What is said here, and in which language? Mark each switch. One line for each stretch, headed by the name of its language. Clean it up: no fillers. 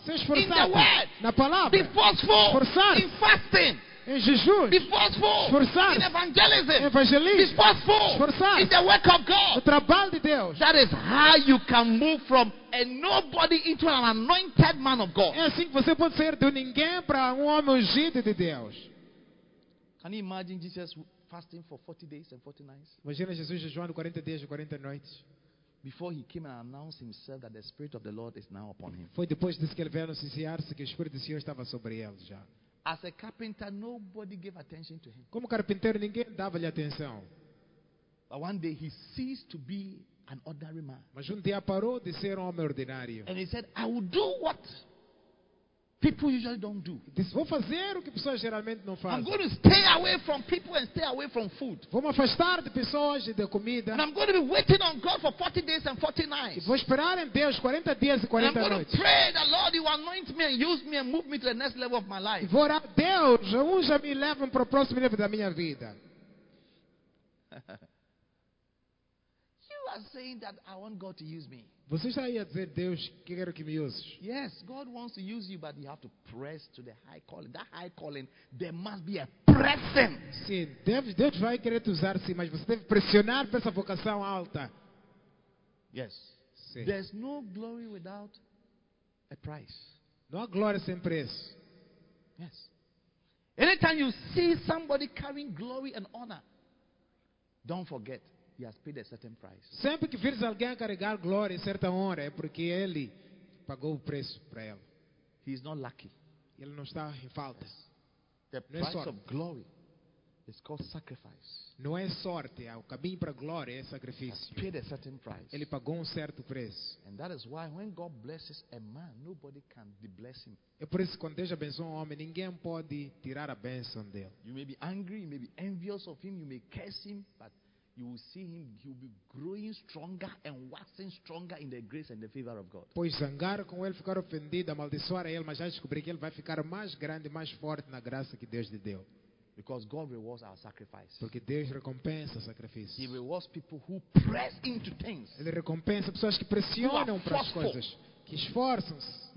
Portuguese: Se esforçar.
English: In the word.
Portuguese: Na palavra.
English: Be forceful.
Portuguese: Forçar.
English: In fasting.
Portuguese: Em jejum.
English: Be forceful.
Portuguese: Forçar.
English: In evangelism.
Portuguese: Evangelismo.
English: Be forceful.
Portuguese: Forçar.
English: In the work of God.
Portuguese: O trabalho de Deus.
English: That is how you can move from a nobody into an anointed man of God.
Portuguese: É assim que você pode sair de ninguém para homem ungido de Deus.
English: Can you imagine Jesus fasting for 40 days and 40 nights?
Portuguese: Imagina Jesus jejuando 40 dias e 40 noites.
English: Before he came and announced himself that the spirit of the Lord is now upon him.
Portuguese: Foi depois disso que ele veio anunciar-se que o espírito do Senhor estava sobre ele já.
English: As a carpenter, nobody gave attention to him.
Portuguese: Como carpinteiro, ninguém dava-lhe atenção.
English: But one day he ceased to be an ordinary man.
Portuguese: Mas dia parou de ser homem ordinário.
English: And he said, I will do what people usually don't do.
Portuguese: Disse, vou fazer o que pessoas geralmente não fazem.
English: I'm going to stay away from people and stay away from food.
Portuguese: Vou me afastar de pessoas e de comida.
English: And I'm going to be waiting on God for 40 days and 40 nights.
Portuguese: E vou esperar em Deus 40 dias e 40
English: and I'm
Portuguese: noites.
English: I'm going to pray that Lord, you anoint me and use me and move me to the next level of my life.
Portuguese: E vou orar, Deus, unja-me e leva-me para o próximo nível da minha vida.
English: Saying that I want God to use me.
Portuguese: Você está aí a dizer, Deus, quero que me uses.
English: Yes, God wants to use you, but you have to press to the high calling. That high calling, there must be a pressing.
Portuguese: Sim, Deus vai querer te usar, sim, mas você deve pressionar para essa vocação alta.
English: Yes.
Portuguese: Sim.
English: There's no glory without a price.
Portuguese: Não há glória sem preço.
English: Yes. Anytime you see somebody carrying glory and honor, don't forget. He has paid a certain price.
Portuguese: Sempre que vires alguém carregar glória em certa honra, é porque ele pagou o preço para ele.
English: He is not lucky.
Portuguese: Ele não está em falta.
English: Yes. The
Portuguese: não
English: price
Portuguese: é sorte.
English: Of glory is called sacrifice.
Portuguese: Não é sorte, o caminho para a glória é sacrifício.
English: He has paid a certain price.
Portuguese: Ele pagou um certo preço.
English: And that is why when God blesses a man, nobody can de-bless him.
Portuguese: É por isso que quando Deus abençoa um homem, ninguém pode tirar a bênção dele.
English: You may be angry, you may be envious of him, you may curse him, but you will see him, he will be growing stronger and waxing stronger in the grace and the favor of God.
Portuguese: Pois zangar com ele, ficar ofendido, amaldiçoar a ele, mas já descobri que ele vai ficar mais grande, mais forte na graça que Deus lhe deu.
English: Because God rewards our sacrifice.
Portuguese: Porque Deus recompensa o sacrifício.
English: He rewards people who press into things.
Portuguese: Ele recompensa pessoas que pressionam para as coisas, que esforçam-se.